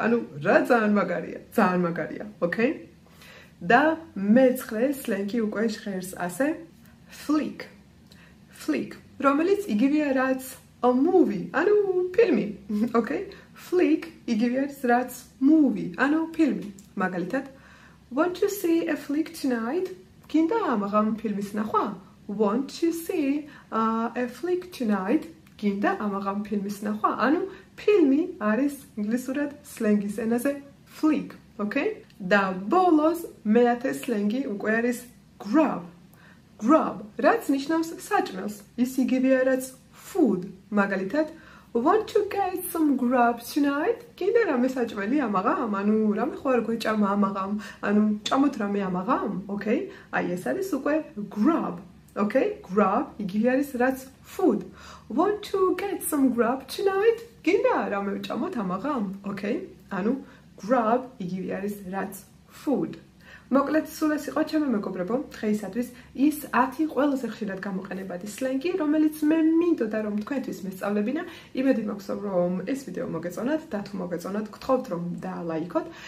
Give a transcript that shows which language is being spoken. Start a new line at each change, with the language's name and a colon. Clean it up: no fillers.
Georgian: ანუ რა ძალიან მაგარია, ძალიან მაგარია. Okay? და მეცხრე სლენგი უკვე ჟღერს, ასე flick. Flick, რომელიც იგივე რაც a movie, ანუ ფილმი. Okay? Flick იგივე არის რაც movie, ანუ ფილმი.
English: მაგალითად, want to see a flick tonight?
Georgian: გინდა ამაღამ ფილმის ნახვა?
English: Want to see a flick tonight?
Georgian: გინდა ამაღამ ფილმის ნახვა? ანუ ფილმი არის ინგლისურად სლენგის ენაზე flick. Okay? და ბოლოს მეათე სლენგი უკვე არის grab. Grab, რაც ნიშნავს საჭმელს. ის იგივეა რაც food. მაგალითად,
English: Want to get some grub tonight?
Georgian: კიდე რამე საჭმელი ამაღამ? ანუ რამე ხო არ გვეჭამა ამაღამ? ანუ ჭამოთ რამე ამაღამ? Okay? აი ეს არის უკვე grub. Okay? Grub იგივე არის რაც food.
English: Want to get some grub tonight?
Georgian: კიდე რამე ჭამოთ ამაღამ? Okay? ანუ grub იგივე არის რაც food. მოკლედ სულ ეს იყო ჩემი მეგობრებო დღეისათვის ის 10 ყველაზე ხშირად გამოყენებადი სლენგი, რომელიც მე მინდოდა რომ თქვენთვის მესწავლებინა. იმედი მაქვს რომ ეს ვიდეო მოგეწონათ და თუ მოგეწონათ გთხოვთ რომ დალაიქოთ.